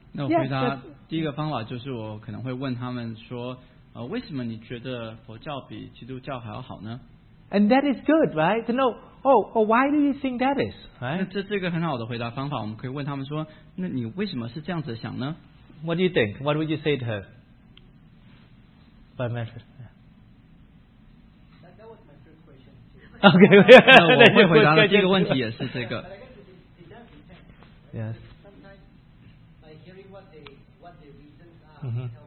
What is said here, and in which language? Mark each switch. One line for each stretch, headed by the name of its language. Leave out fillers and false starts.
Chinese: 那我回答第一个方法就是我可能会问他们说, 为什么你觉得佛教比基督教还要好呢?
English: And that is good, right? To know, why do you think that is? Right?
Chinese: 这是一个很好的回答方法,我们可以问他们说, 那你为什么是这样子想呢?
English: What do you think? What would you say to her? By method. That was my first question. Okay.
Chinese: 那我会回答的第一个问题也是这个。
English: Yes. Sometimes, by hearing what the reasons are, mm-hmm.